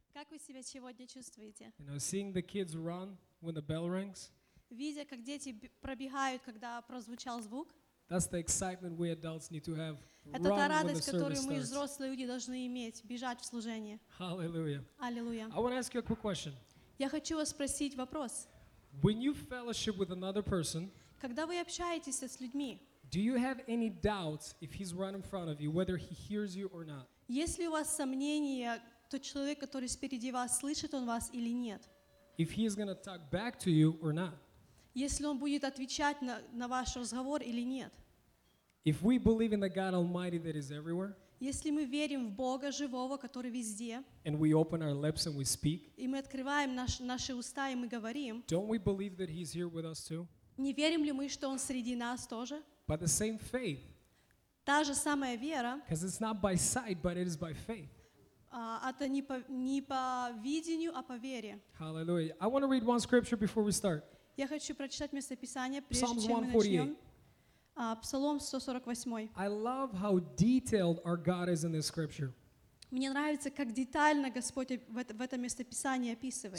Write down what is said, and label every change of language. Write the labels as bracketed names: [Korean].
[Russian] Как вы себя сегодня чувствуете? [English] You know, seeing the kids run when the bell rings. [Russian] Видя, как дети пробегают, когда прозвучал звук. [English] That's the excitement we adults need to have. [Russian] Это та радость, которую мы взрослые люди должны иметь, бежать в служение. [English] Hallelujah. [Russian] Аллилуйя. [English] I want to ask you a quick question. [Russian] Я хочу вас спросить вопрос. [English] When you fellowship with another person, [Russian] когда вы общаетесь с людьми, [English] do you have any doubts if he's right in front of you, whether he hears you or not? [Russian] Есть ли у вас сомнения, тот человек, который впереди вас, слышит он вас или нет? [English] If he is going to talk back to you or not? [Russian] Если он будет отвечать на ваш разговор или нет? [English] If we believe in the God Almighty that is everywhere? [Russian] Если мы верим в Бога живого, который везде? [English] And we open our lips and we speak? [Russian] И мы открываем наши уста и мы говорим? [English] Don't we believe that he's here with us too? [Russian] Не верим ли мы, что он среди нас тоже? [English] By the same faith. [Russian] Та же самая вера. [English] Because it's not by sight, but it is by faith. [Russian] Это не по видению, а по вере. [English] Hallelujah. I want to read one scripture before we start. [Russian] Я хочу прочитать место Писания, прежде чем мы начнем. Псалом 148. [English] I love how detailed our God is in this scripture. [Russian] Мне нравится, как детально Господь в это место Писания описывает.